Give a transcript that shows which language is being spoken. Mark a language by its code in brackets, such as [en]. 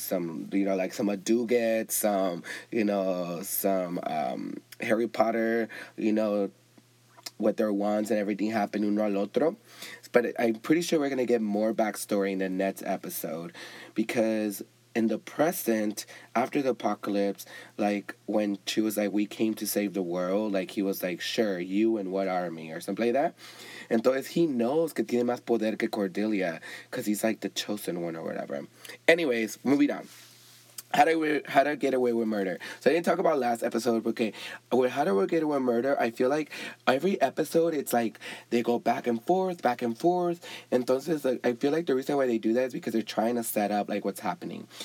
[en] Some, you know, like, some Aduget. Some, you know, some Harry Potter, you know, with their wands and everything happen [es] uno al otro. [en] But I'm pretty sure we're going to get more backstory in the next episode. Because in the present, after the apocalypse, like, when she was like, we came to save the world, like, he was like, sure, you and what army? Or something like that. [es] Entonces, [en] he knows [es] que tiene más poder que Cordelia. [en] Because he's like the chosen one or whatever. Anyways, moving on. How do I get away with murder? So I didn't talk about last episode, but okay. With How Do I Get Away with Murder, I feel like every episode, it's like they go back and forth. Entonces, like, I feel like the reason why they do that is because they're trying to set up, like, what's happening.